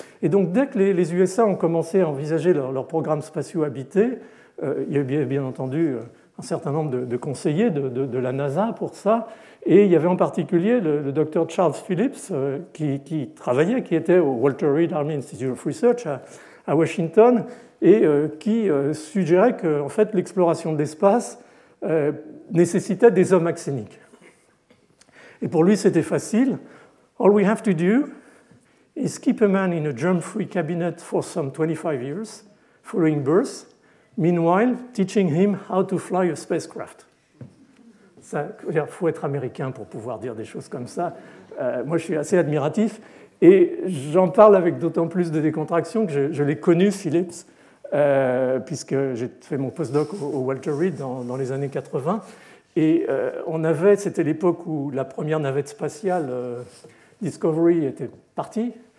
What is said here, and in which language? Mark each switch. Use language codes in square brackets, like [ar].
[fr] Et donc, dès que les USA ont commencé à envisager leurs programmes spatiaux habités, il y a bien entendu un certain nombre de conseillers de la NASA pour ça, et il y avait en particulier le docteur Charles Phillips qui travaillait, qui était au Walter Reed Army Institute of Research à Washington, et qui suggérait que en fait, l'exploration de l'espace nécessitait des hommes axéniques. Et pour lui, c'était facile. [en] All we have to do is keep a man in a germ-free cabinet for some 25 years following birth, meanwhile teaching him how to fly a spacecraft. [fr] Il faut être américain pour pouvoir dire des choses comme ça. Moi, je suis assez admiratif. Et j'en parle avec d'autant plus de décontraction que je l'ai connu, Phillips, puisque j'ai fait mon postdoc au Walter Reed dans les années 80. Et c'était l'époque où la première navette spatiale Discovery était partie.